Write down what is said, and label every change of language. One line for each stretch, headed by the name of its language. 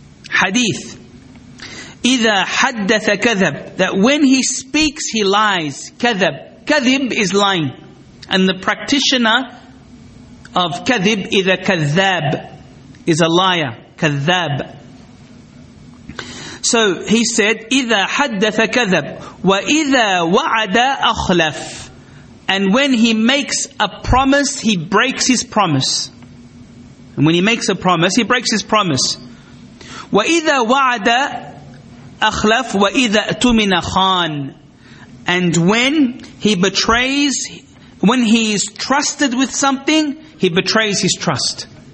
English: Hadith.
Arabic: إِذَا حَدَّثَ كَذَبْ.
English: That when he speaks, he lies.
Arabic: كَذَبْ. كَذِبْ
English: is lying. And the practitioner of
Arabic: كَذِبْ إِذَا كَذَّابْ
English: is a liar.
Arabic: كَذَّابْ.
English: So he said,
Arabic: إِذَا حَدَّثَ كَذَبْ وَإِذَا وَعَدَ أَخْلَفْ.
English: And when he makes a promise, he breaks his promise. And when he makes a promise, he breaks his promise.
Arabic: وَإِذَا وَعَدَ أَخْلَفْ وَإِذَا أَتُمِنَ خَانْ.
English: And when he betrays, when he is trusted with something, he betrays his trust.